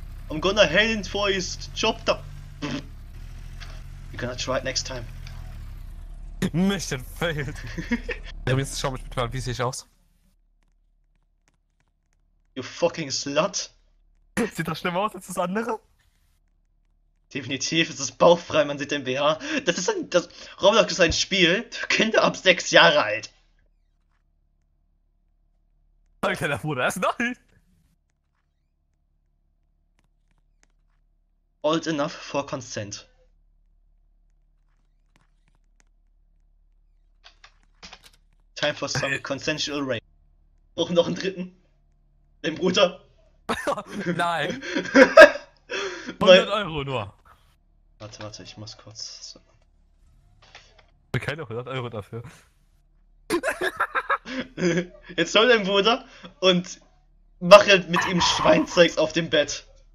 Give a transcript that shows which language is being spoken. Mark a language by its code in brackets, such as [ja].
[en] I'm gonna hang in for his chopper. You're gonna try it next time. Mission failed. [de] Übrigens, schau mich bitte mal, wie sehe ich aus? [en] You fucking slut. [de] Sieht doch schlimmer aus als das andere. Definitiv, es ist bauchfrei, man sieht den BH. Das ist ein, das, Roblox ist ein Spiel für Kinder ab 6 Jahre alt. Sag ich deiner Bruder, erst nein. [en] Old enough for consent. Time for some consensual rape. [de] Brauchen noch einen dritten. Dein Bruder. Nein. 100 Euro nur. Warte, ich muss kurz. So. Ich will keine 100 Euro dafür. Jetzt hol dein Bruder und mache mit ihm Schweinzeugs auf dem Bett.